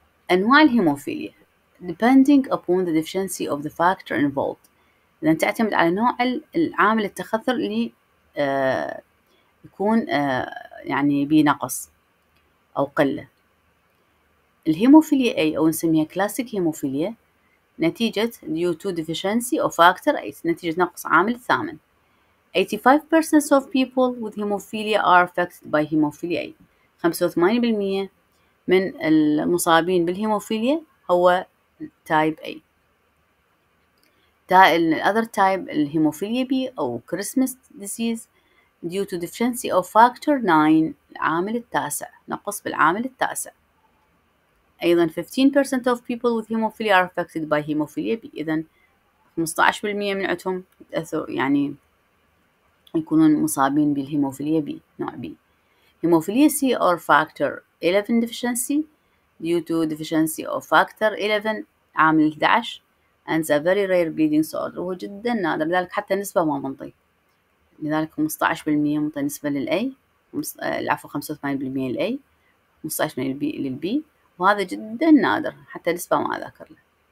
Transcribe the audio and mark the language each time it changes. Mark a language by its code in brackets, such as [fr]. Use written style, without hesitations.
[ar] أنواع الهيموفيليا [en] depending upon the deficiency of the factor involved، [ar] لأن تعتمد على نوع العامل التخثر اللي يكون يعني بنقص أو قلة. الهيموفيليا أي أو نسميها كلاسيك هيموفيليا نتيجة [en] due to deficiency of factor 8، [ar] نتيجة نقص عامل الثامن. [en] 85% of people with hemophilia are affected by hemophilia A. [ar] 85% من المصابين بالهيموفيليا هو تايب A. [en] Other type الهيموفيليا B أو Christmas disease due to deficiency of factor 9 [ar] العامل التاسع، نقص بالعامل التاسع. ايضا [en] 15% of people with hemophilia are affected by hemophilia B. [ar] اذا 15% من عندهم يعني يكونون مصابين بالهيموفيليا B، نوع B. [en] hemophilia C or factor 11 [ar] deficiency due to deficiency of factor 11 عامل 11 [en] and a very rare bleeding disorder، [ar] وهو جدا نادر، لذلك حتى نسبة ما منطي، لذلك 15% منطي نسبة للA، العفو 85% للA، 15% للB، وهذا جدا نادر حتى نسبة ما أذكر له.